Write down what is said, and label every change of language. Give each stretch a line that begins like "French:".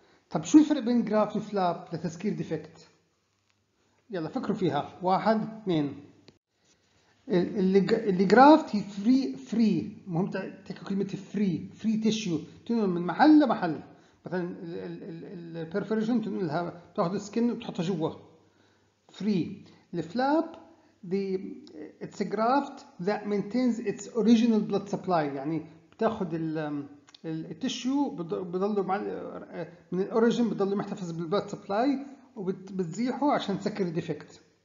Arabic: طب شو الفرق بين جرافت وفلاب لتسكير ديفكت؟ يلا فكروا فيها. واحد اثنين. اللي جرافت هي فري. مهم تحكي كلمه فري تيشيو, تنقل من محل لمحل. مثلا البرفوريشن تنقلها تاخذ السكن وتحطها جوا free.
English: The flap, it's a graft that maintains its original blood supply.
Arabic: يعني بتاخد التشيو بضلوا من الأوريجين بضلوا محتفظ بالblood supply وبتزيحه عشان تسكر الديفكت.